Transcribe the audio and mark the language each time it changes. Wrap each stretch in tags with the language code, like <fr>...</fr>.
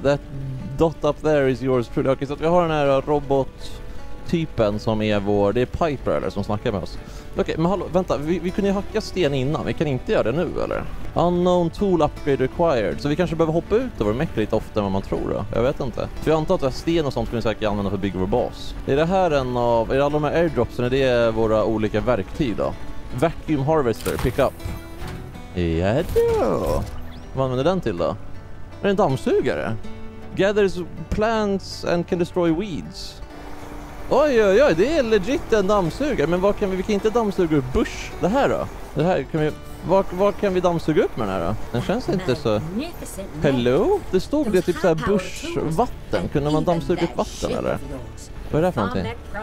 <en>That dot up there is yours truly.</en> <sv>Okej, okay, så att vi har den här robot-typen som är vår... Det är Piper eller som snackar med oss. Okej, okay, men hallå, vänta. Vi kunde ju hacka sten innan. Vi kan inte göra det nu, eller?</sv> <en>Unknown tool upgrade required.</en> <sv>Så vi kanske behöver hoppa ut av vår mech lite oftare än vad man tror då. Jag vet inte. För jag antar att sten och sånt kan vi säkert använda för att bygga vår bas. Är det här en av... Är alla de här airdropsen? Är det våra olika verktyg då?</sv> <en>Vacuum harvester, pick up.</en> <sv>Jadå. Vad använder den till då? Är det en dammsugare?</sv> <en>Gathers plants and can destroy weeds.</en> <sv>Oj, oj, oj. Det är legit en dammsugare. Men vad kan vi kan inte dammsuga upp bush. Det här då? Det här kan vi... Var kan vi dammsuga upp med den här då? Den känns inte så... Hello? Det stod det typ så här bushvatten. Kunde man dammsuga upp vatten eller? Vad är det för någonting?</sv>